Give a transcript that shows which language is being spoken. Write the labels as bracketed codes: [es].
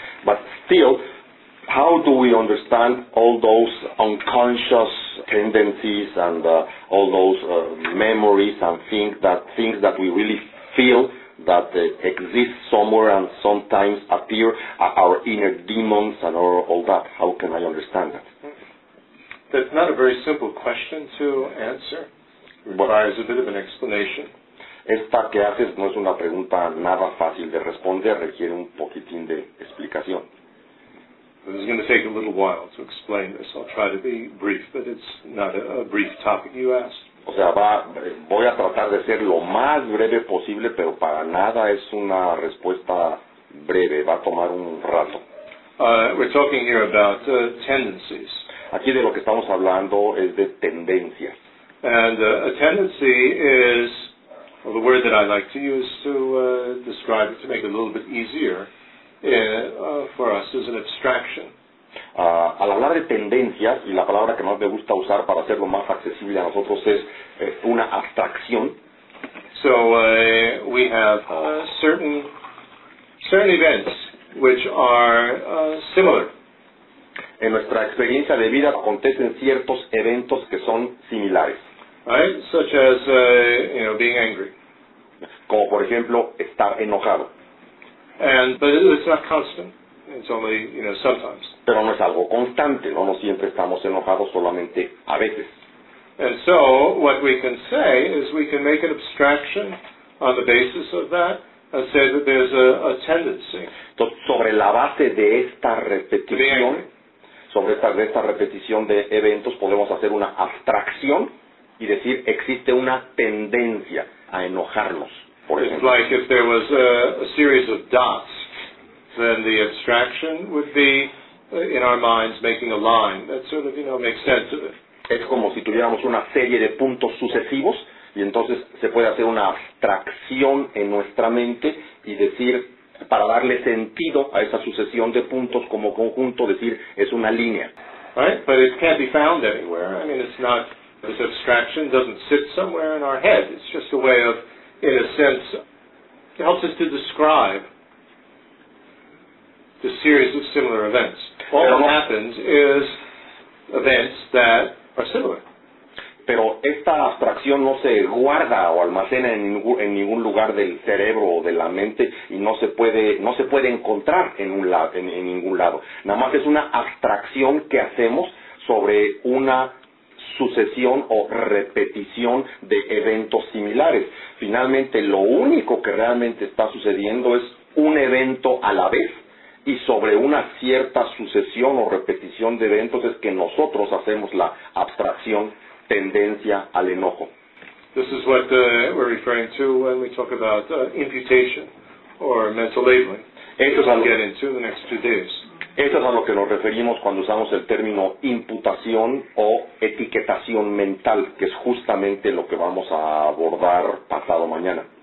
[en] But still, how do we understand all those unconscious tendencies and all those memories and things that we really feel that exist somewhere and sometimes appear, our inner demons and all that. How can I understand that? That's not a very simple question to answer. It requires a bit of an explanation. [es] Esta que haces no es una pregunta nada fácil de responder, requiere un poquitín de explicación. [en] This is going to take a little while to explain this. I'll try to be brief, but it's not a brief topic you asked. [es] O sea, voy a tratar de ser lo más breve posible, pero para nada es una respuesta breve. Va a tomar un rato. [en] We're talking here about tendencies. [es] Aquí de lo que estamos hablando es de tendencias. [en] And a tendency is, well, the word that I like to use to describe it, to make it a little bit easier for us, is an abstraction. [es] Al hablar de tendencias, y la palabra que más me gusta usar para hacerlo más accesible a nosotros es una abstracción. [en] So we have certain events which are similar. [es] En nuestra experiencia de vida acontecen ciertos eventos que son similares. [en] Right? Such as being angry. [es] Como por ejemplo, estar enojado. [en] But it's not constant. It's only, sometimes. [es] Pero no es algo constante, ¿no? No siempre estamos enojados, solamente a veces. [en] And so, what we can say is we can make an abstraction on the basis of that and say that there's a tendency. [es] Entonces, sobre la base de esta repetición, de eventos, podemos hacer una abstracción y decir, existe una tendencia a enojarnos, por ejemplo. [en] It's like if there was a series of dots, then the abstraction would be in our minds making a line. That sort of, makes sense of it. [es] Es como si tuviéramos una serie de puntos sucesivos y entonces se puede hacer una abstracción en nuestra mente y decir, para darle sentido a esa sucesión de puntos como conjunto, decir, es una línea. [en] Right? But it can't be found anywhere. It's not, this abstraction doesn't sit somewhere in our head. It's just a way of, in a sense, it helps us to describe the series of similar events. All that happens is events that are similar. [es] Pero esta abstracción no se guarda o almacena en ningún lugar del cerebro o de la mente y no se puede encontrar en ningún lado. Nada más es una abstracción que hacemos sobre una sucesión o repetición de eventos similares. Finalmente, lo único que realmente está sucediendo es un evento a la vez. Y sobre una cierta sucesión o repetición de eventos es que nosotros hacemos la abstracción tendencia al enojo. [en] This is what we're referring to when we talk about imputation or mental labeling. [es] Esto es a lo que nos referimos cuando usamos el término imputación o etiquetación mental, que es justamente lo que vamos a abordar pasado mañana.